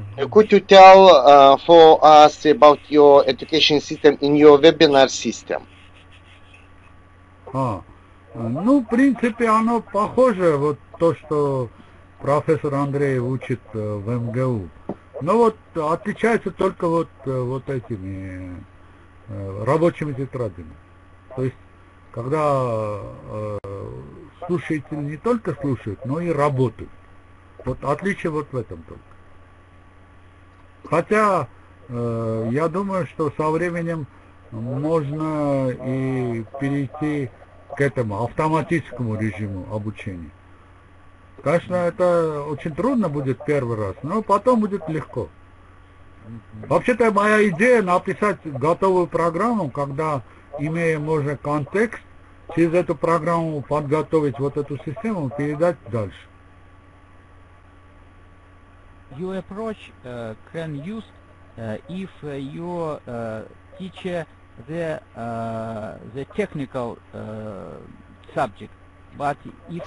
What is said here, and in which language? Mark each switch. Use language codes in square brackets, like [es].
[en] Could you tell for us about your education system in your webinar system? [ru] Ну, в принципе, оно похоже, вот то, что профессор Андреев учит в МГУ. Но вот отличается только вот этими рабочими тетрадями. То есть, когда слушатели не только слушают, но и работают. Вот отличие вот в этом только. Хотя, я думаю, что со временем можно и перейти к этому автоматическому режиму обучения. Конечно, это очень трудно будет первый раз, но потом будет легко. Вообще-то моя идея написать готовую программу, когда, имея, можно, контекст, через эту программу подготовить вот эту систему, передать дальше. [en] Your approach can use if you teacher the technical subject, but if